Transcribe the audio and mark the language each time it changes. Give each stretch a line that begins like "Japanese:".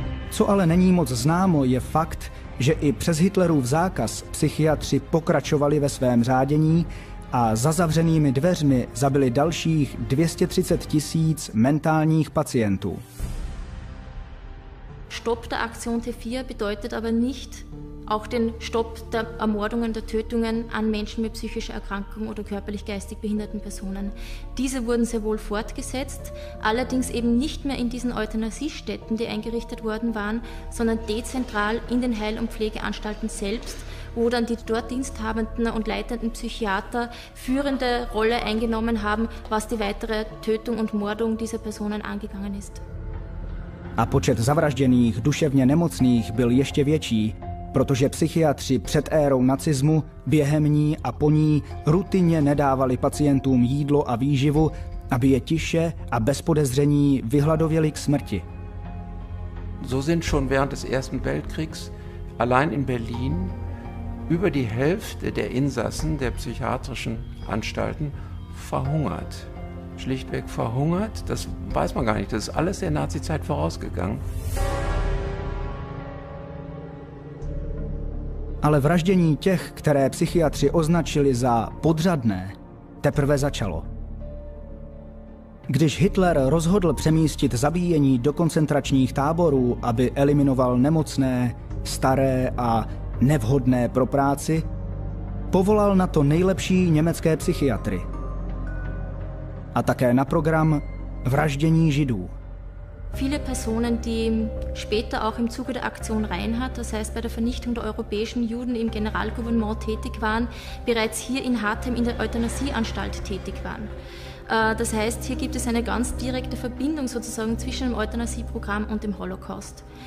Czech: Co ale není moc známo, je fakt, že i přes Hitlerův zákaz psychiatři pokračovali ve svém řádění a za zavřenými dveřmi zabili dalších 230 tisíc mentálních pacientů.
German: Stopp der Aktion T4 bedeutet aber nicht auch den Stopp der Ermordungen, der Tötungen an Menschen mit psychischer Erkrankung oder körperlich-geistig behinderten Personen. Diese wurden sehr wohl fortgesetzt, allerdings eben nicht mehr in diesen Euthanasiestätten, die eingerichtet worden waren, sondern dezentral in den Heil- und Pflegeanstalten selbst, wo dann die dort diensthabenden und leitenden Psychiater führende Rolle eingenommen haben, was die weitere Tötung und Mordung dieser Personen angegangen ist.
Czech: A počet zavražděných duševně nemocných byl ještě větší, protože psychiatři před érou nacismu, během ní a po ní rutinně nedávali pacientům jídlo a výživu, aby je tiše a bez podezření vyhladověli k smrti.
German: So sind schon während des Ersten Weltkriegs allein in Berlin über die Hälfte der Insassen der psychiatrischen Anstalten verhungert. Schlichtweg verhungert, das weiß man gar nicht, das ist alles der Nazizeit vorausgegangen.
Czech: Ale vraždění těch, které psychiatři označili za podřadné, teprve začalo. Když Hitler rozhodl přemístit zabíjení do koncentračních táborů, aby eliminoval nemocné, staré a nevhodné pro práci, povolal na to nejlepší německé psychiatry. A také na program vraždění Židů.
German: Viele Personen, die später auch im Zuge der Aktion Reinhardt, das heißt bei der Vernichtung der europäischen Juden im Generalgouvernement tätig waren, bereits hier in Hartheim in der Euthanasieanstalt tätig waren. Das heißt, hier gibt es eine ganz direkte Verbindung sozusagen zwischen dem Euthanasieprogramm und dem Holocaust.